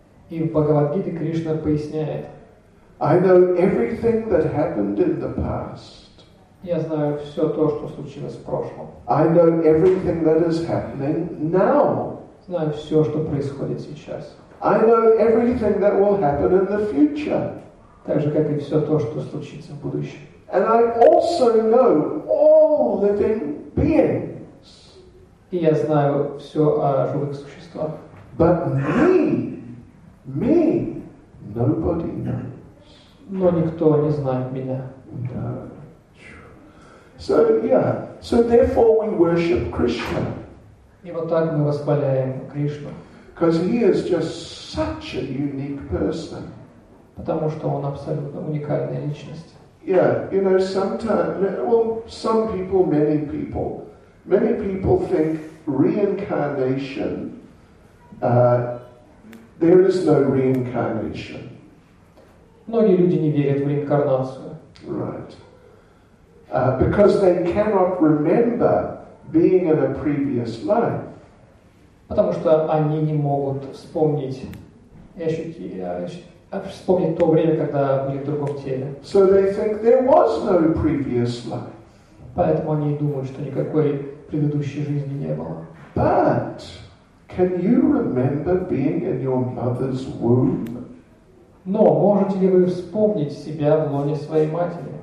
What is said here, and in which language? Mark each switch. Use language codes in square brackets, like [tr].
[ru] И в Бхагавад-гите Кришна поясняет. [en] I know everything that happened in the past. [ru] Я знаю все то, что случилось в прошлом. [en] I know everything that is happening now. [ru] Знаю все, что происходит сейчас. [en] I know everything that will happen in the future. [ru] Так же, как и все то, что случится в будущем. [en] And I also know all living beings. [ru] И я знаю все о живых существах. [en] But me, nobody knows. [ru] Но никто не знает меня. [en] No. So, yeah. So, therefore, we worship Krishna. [ru] И вот так мы восхваляем Кришну. [en] Because he is just such a unique person. [ru] Потому что он абсолютно уникальная личность. [en] Yeah, you know, many people think reincarnation, there is no reincarnation. [ru] Многие люди не верят в реинкарнацию. [en] Right. Because they cannot remember being in a previous life. [ru] Потому что они не могут вспомнить, вспомнить то время, когда были в другом теле. [en] So they think there was no previous life. [ru] Поэтому они думают, что никакой предыдущей жизни не было. [en] But can you remember being in your mother's womb? [ru] Но можете ли вы вспомнить себя в лоне своей матери?